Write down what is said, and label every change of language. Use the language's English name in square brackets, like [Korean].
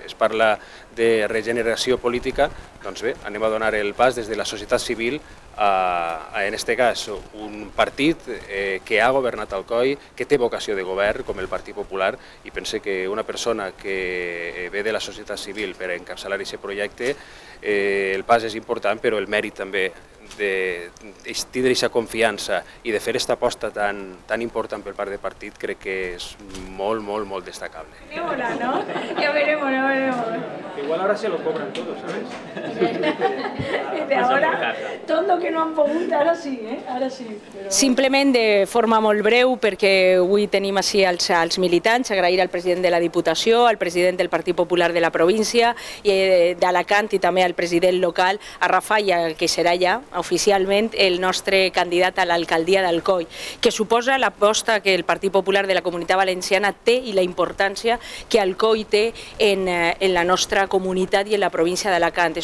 [Catalan] Es parla de regeneració política, doncs bé, anem a donar el pas des de la societat civil a en este cas, un partit que ha governat Alcoi, que té vocació de govern, com el Partit Popular, i pense que una persona que ve de la societat civil per encapçalar aquest projecte, el pas és important, però el mèrit també de tindre aquesta confiança i de fer aquesta aposta tan important per part del partit crec que és molt, molt, molt destacable. Que bona, no? Ja veurem, ja veurem. [Spanish] Igual ara se lo cobran todo, ¿sabes? Sí. De ahora, [Catalan] tot lo que no han pogut, ara sí, ¿eh? Ara sí. Però... Simplement de forma molt breu, perquè avui tenim així els militants, agrair al president de la Diputació, al president del Partit Popular de la província, i d'Alacant i també al president local, a Rafaia, que serà ja oficialment el nostre candidat a l'alcaldia d'Alcoi, que suposa l'aposta que el Partit Popular de la Comunitat Valenciana té i la importància que Alcoi té en la nostra comunitat i en la província d'Alacant.